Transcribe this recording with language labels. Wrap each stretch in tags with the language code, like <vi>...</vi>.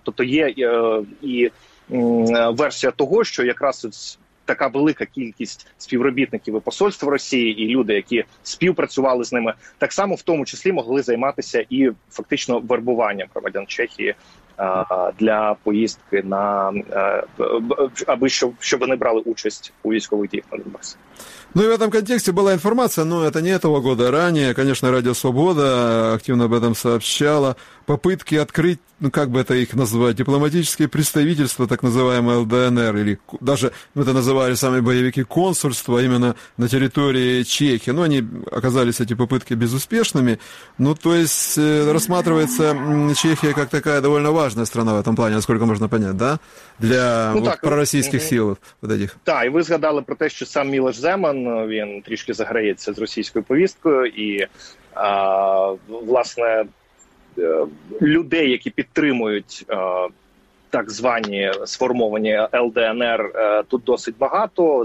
<uk>Тобто є і версія того, що якраз така велика кількість співробітників і посольства Росії, і люди, які співпрацювали з ними, так само в тому числі могли займатися і фактично вербуванням громадян Чехії для поїздки на аби щоб вони брали участь у військових діях на Донбасі.</uk> <ru>Ну і в этом контексте была информация, но это не этого года, ранее, конечно, Радио Свобода активно об этом сообщала, попытки открыть, ну как бы это их назвать, дипломатическое представительство, так называемое ЛДНР, или даже это называли сами боевики консульства именно на территории Чехии, но они оказались, эти попытки, безуспешными. Ну то есть рассматривается Чехия как такая довольно важная страна в этом плане, насколько можно понять, да, для пророссийских сил вот этих. Да, и вы сгадали про то, что сам</ru> <uk>Мілош Земан, він трішки заграється з російською повісткою, і власне людей, які підтримують так звані сформовані ЛДНР, тут досить багато.</uk>